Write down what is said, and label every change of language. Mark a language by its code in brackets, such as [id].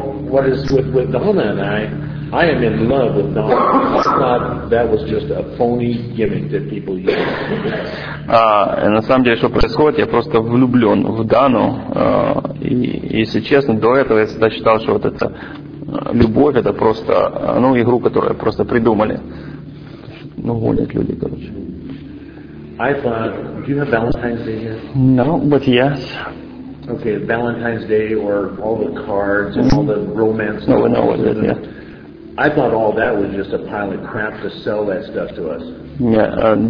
[en] What is with Donna and I am in love with Donna. I thought that was just a phony gimmick that people use. [ru] На самом деле, что происходит, я просто влюблен в Дану. И если честно, до этого я всегда считал, что вот это любовь это просто, ну, игру, которую просто придумали. Ну, гонят люди, короче. [en] I thought, do you have Valentine's Day yet? No, but yes. Okay, Valentine's Day or all the cards and all the romance. No, we know what it is, yeah. I thought all that was just a pile of crap to sell that stuff to us.